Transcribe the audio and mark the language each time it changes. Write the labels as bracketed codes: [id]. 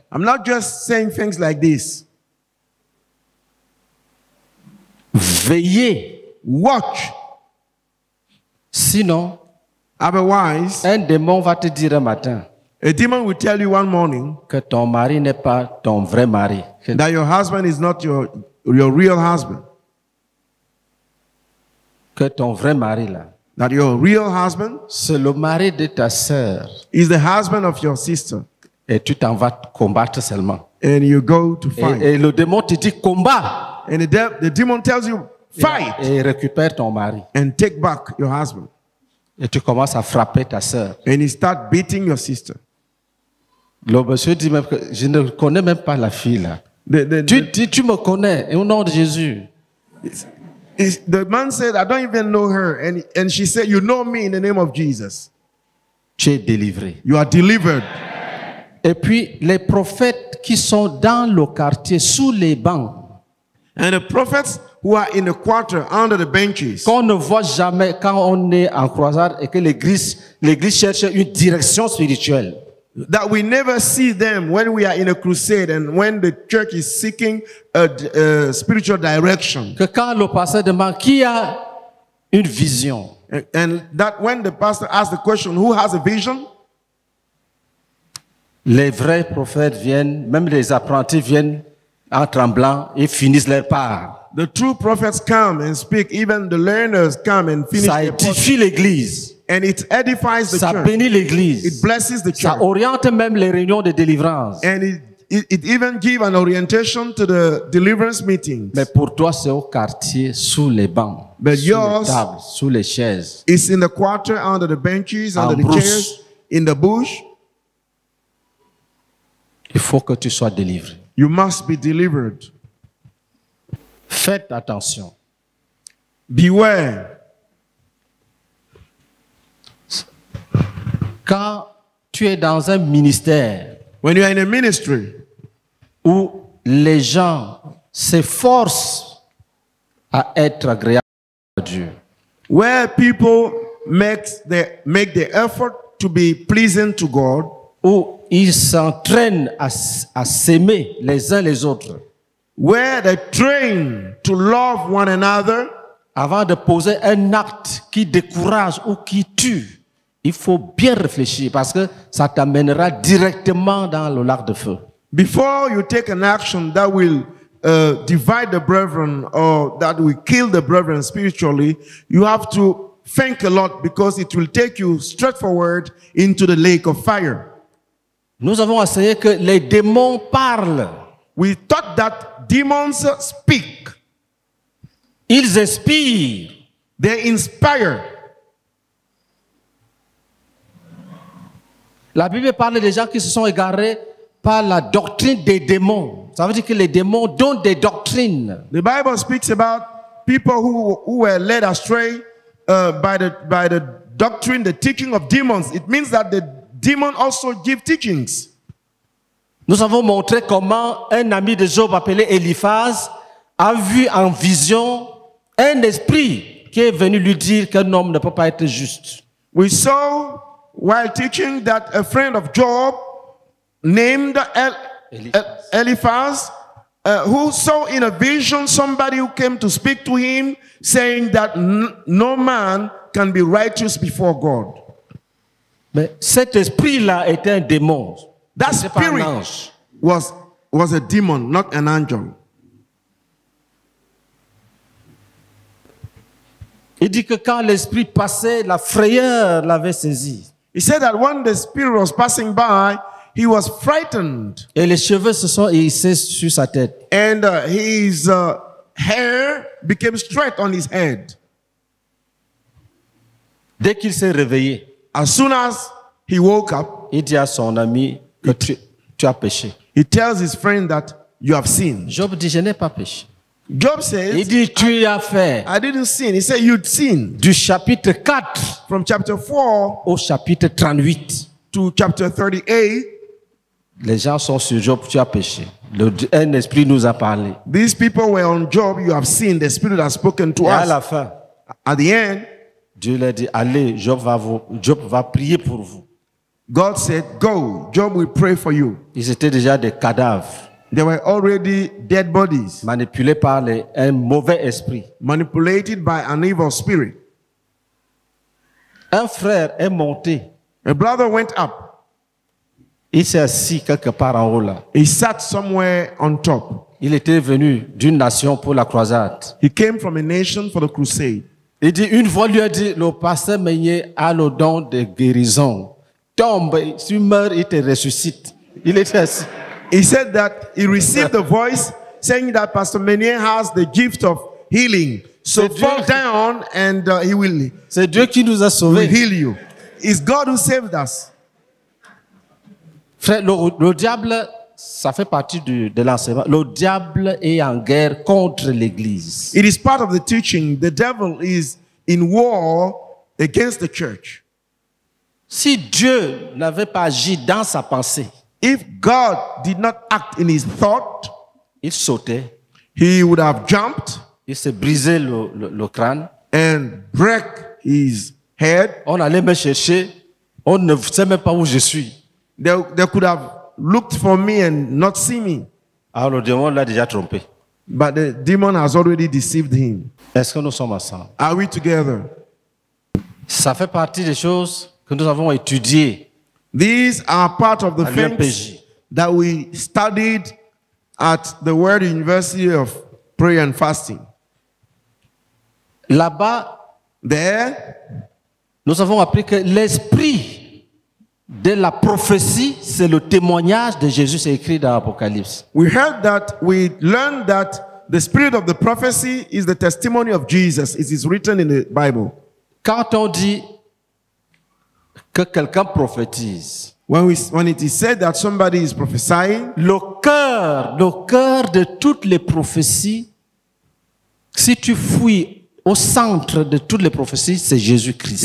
[en] I'm not just saying things like this. [fr] Veillez. [en] Watch. [fr] Sinon, [en] otherwise, [fr] un démon va te dire un matin, [en] a demon will tell you one morning [fr] que ton mari n'est pas ton vrai mari, [en] that your husband is not your real husband. [fr] Que ton vrai mari là, [en] that your real husband, [fr] c'est le mari de ta sœur, [en] is the husband of your sister. [fr] Et tu t'en vas combattre seulement. [en] And you go to fight. [fr] Et le démon te dit combat. [en] And the demon tells you fight. [fr] Et récupère ton mari. [en] And take back your husband. [fr] Et tu commences à frapper ta sœur. [en] And you start beating your sister. [fr] Le monsieur dit même que je ne connais même pas la fille là. Tu me connais au nom de Jésus. [en] The man said, I don't even know her, and she said, you know me in the name of Jesus. [fr] Tu es délivré. [en] You are delivered. [fr] Et puis les prophètes qui sont dans le quartier sous les bancs. [en] And the prophets who are in the quarter under the benches. [fr] Qu'on ne voit jamais quand on est en croisade et que l'église cherche une direction spirituelle. [en] That we never see them when we are in a crusade and when the church is seeking a spiritual direction. [fr] Que quand le pasteur demande qui a une vision. [en] And that when the pastor asks the question who has a vision? [fr] Les vrais prophètes viennent, même les apprentis viennent en tremblant et finissent leur part. [en] The true prophets come and speak, even the learners come and finish their part. [fr] Ça édifie l'église. [en] And it edifies the [fr] ça [en] church. [fr] Ça bénit l'église. [en] It blesses the [fr] ça [en] church. [fr] Ça oriente même les réunions de délivrance. [en] And it even give an orientation to the deliverance meetings. [fr] Mais pour toi, c'est au quartier, sous les bancs, [en] but [fr] sous [en] yours, [fr] les tables, sous les chaises. [en] It's in the quarter, under the benches, [fr] en [en] under [fr] brousse. [en] The chairs, in the bush. [fr] Il faut que tu sois délivré. [en] You must be delivered. [fr] Faites attention. [en] Beware. [fr] Quand tu es dans un ministère, [en] when you are in a ministry, [fr] où les gens s'efforcent à être agréables à Dieu, [en] where people make the effort to be pleasing to God, [fr] où ils s'entraînent à s'aimer les uns les autres, [en] where they train to love one another, [fr] avant de poser un acte qui décourage ou qui tue, il faut bien réfléchir parce que ça t'amènera directement dans le lac de feu. [en] Before you take an action that will divide the brethren or that we kill the brethren spiritually, you have to think a lot because it will take you straight forward into the lake of fire. [fr] Nous avons enseigné que les démons parlent. [en] We taught that demons speak. [fr] Ils inspirent. [en] They inspire. [fr] La Bible parle des gens qui se sont égarés par la doctrine des démons. Ça veut dire que les démons donnent des doctrines. [en] The Bible speaks about people who were led astray by the doctrine, the teaching of demons. It means that the demons also give teachings. [fr] Nous avons montré comment un ami de Job appelé Eliphaz a vu en vision un esprit qui est venu lui dire qu'un homme ne peut pas être juste. [en] We saw while teaching that a friend of Job named Eliphaz, who saw in a vision somebody who came to speak to him, saying that no man can be righteous before God. [fr] Mais cet esprit-là était un démon. [en] That spirit was a demon, not an angel. [fr] Il dit que quand l'esprit passait, la frayeur l'avait saisi. [en] He said that when the spirit was passing by, he was frightened. [fr] Et les cheveux se sont hissés sur sa tête. [en] And his hair became straight on his head. [fr] Dès qu'il s'est réveillé, [en] as soon as he woke up, [fr] il dit à son ami que tu as péché. [en] He tells his friend that you have sinned. [fr] Job dit, je n'ai pas péché. [en] Job says, [fr] il dit, tu as fait. [en] I didn't sin. He said, you'd sin. [fr] Du chapitre 4, [en] from chapter 4 [fr] au chapitre 38, [en] to chapter 38, [fr] les gens sont sur Job, tu as péché. Un esprit nous a parlé. [en] These people were on Job, you have sinned. The spirit has spoken to [fr] et [en] us. [fr] À la fin, [en] at the end, [fr] Dieu leur dit, allez, Job va prier pour vous. [en] God said, go, Job will pray for you. [fr] Ils étaient déjà des cadavres. [en] They were already dead bodies. [fr] Manipulés par un mauvais esprit. [en] Manipulated by an evil spirit. [fr] Un frère est monté. [en] A brother went up. [fr] Il s'est assis quelque part en haut là. [en] He sat somewhere on top. [fr] Il était venu d'une nation pour la croisade. [en] He came from a nation for the crusade. [fr] Il dit, une voix lui a dit, le pasteur Meunier a le don de guérison. Tombe, tu meurs, il te ressuscite. Il était assis. [en] He said that he received a voice saying that Pastor Meunier has the gift of healing. So fall down and he will. [fr] C'est Dieu qui nous a sauvés. [en] Heal you. It's God who saved us. [fr] Frère, le diable, ça fait partie de l'enseignement. Le diable est en guerre contre l'Église. [en] It is part of the teaching. The devil is in war against the church. [fr] Si Dieu n'avait pas agi dans sa pensée, [en] if God did not act in his thought, [fr] il sautait, [en] he would have jumped, [fr] il s'est brisé le crâne, [en] and break his head. [fr] On allait me chercher, on ne sait même pas où je suis. [en] They could have looked for me and not see me. [fr] Alors le démon l'a déjà trompé. [en] But the demon has already deceived him. [fr] Est-ce que nous sommes ensemble? [en] Are we together? [fr] Ça fait partie des choses que nous avons étudiées. [en] These are part of the things that we studied at the World University of Prayer and Fasting. [fr] Là-bas, [en] there, [fr] nous avons appris que l'esprit de la prophétie, c'est le témoignage de Jésus écrit dans l'Apocalypse. [en] We learned that the spirit of the prophecy is the testimony of Jesus. It is written in the Bible. [fr] Quand on dit que quelqu'un prophétise, [en] when it is said that somebody is prophesying, [fr] le cœur de toutes les prophéties, si tu fouilles au centre de toutes les prophéties, c'est Jésus-Christ.